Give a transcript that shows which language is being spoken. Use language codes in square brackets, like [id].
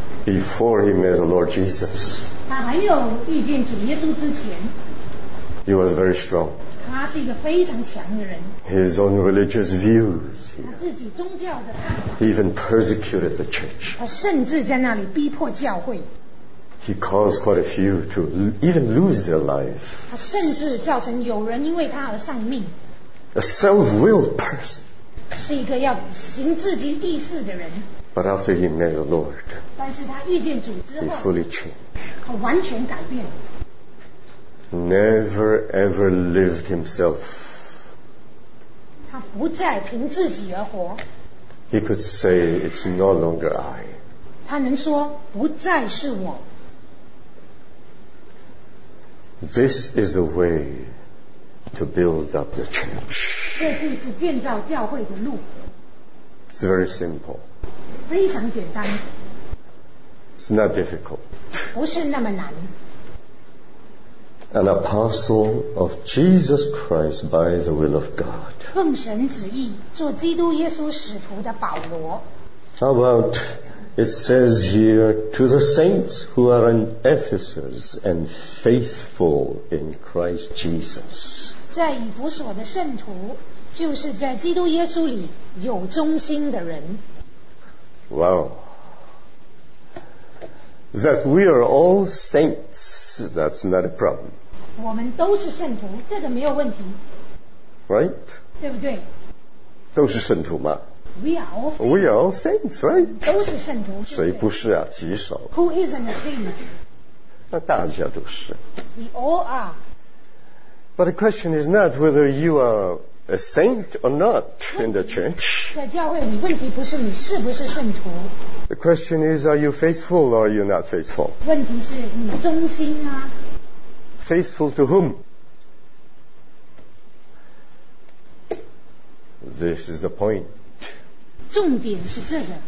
[en] Before he met the Lord Jesus. [zh] 他还有遇见主耶稣之前。 [en] He was very strong. [zh] 他是一个非常强的人。 [en] His own religious views. [zh] 他自己宗教的看法。 [en] He even persecuted the church. [zh] 他甚至在那里逼迫教会。 [en] He caused quite a few to even lose their life. [zh] 他甚至造成有人因为他而丧命。 [en] A self-willed person. [zh] 是一个要行自己意思的人。 [en] But after he met the Lord, [zh] 但是他遇见主之后， [en] he fully changed. [zh] 他完全改变。 [en] Never ever lived himself. [zh] 他不再凭自己而活。 [en] He could say, "It's no longer I." [zh] 他能说，不再是我。 [en] This is the way to build up the church. [zh] 这是指建造教会的路。 [en] It's very simple. [zh] 非常简单。 [en] It's not difficult. [zh] 不是那么难。 [en] An apostle of Jesus Christ by the will of God. [zh] 奉神旨意，做基督耶稣使徒的保罗。 [en] How about it says here to the saints who are in Ephesus and faithful in Christ Jesus. [zh] 在以弗所的圣徒，就是在基督耶稣里有忠心的人。 [en] Wow. That we are all saints, that's not a problem. [zh] 我们都是圣徒，这个没有问题。 [en] Right? [zh] 对不对？都是圣徒嘛。 [en] We are all saints, right? [zh] 都是圣徒。谁不是啊？极少。 [en] Who isn't a saint? [zh] 那大家都是。 [en] We all are. But the question is not whether you are a saint or not in the church. [zh] 在教会里，问题不是你是不是圣徒。 [en] The question is, are you faithful or are you not faithful? [zh] 问题是你忠心啊。 [en] Faithful to whom? This is the point. [zh] 重点是这个。